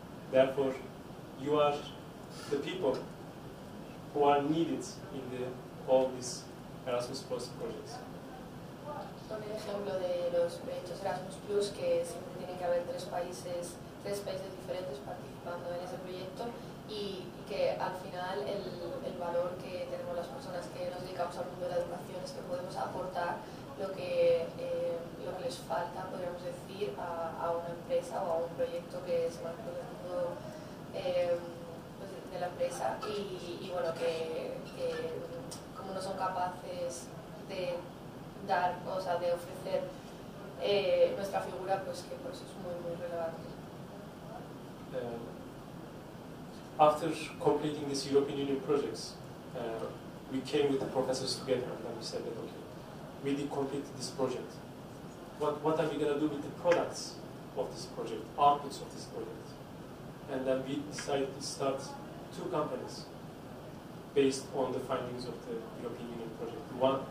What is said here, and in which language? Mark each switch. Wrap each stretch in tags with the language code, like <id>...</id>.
<en>Therefore, you are the people who are needed in all these Erasmus Plus projects.</en> <es>Con el ejemplo de los proyectos Erasmus Plus, que siempre tiene que haber tres países diferentes participando en ese proyecto, y que al final el valor que tenemos las personas que nos dedicamos al mundo de la educación es que podemos aportar lo que les falta, podríamos decir, a una empresa o a un proyecto que se va a mundo pues de la empresa, y bueno, que como no son capaces de dar, o sea, de ofrecer nuestra figura, pues que por eso es muy muy relevante.</es> <en>After completing these European Union projects, we came with the professors together and then we said that, okay, we did complete this project. What are we going to do with the products of this project, outputs of this project? And then we decided to start 2 companies based on the findings of the European Union project.</en>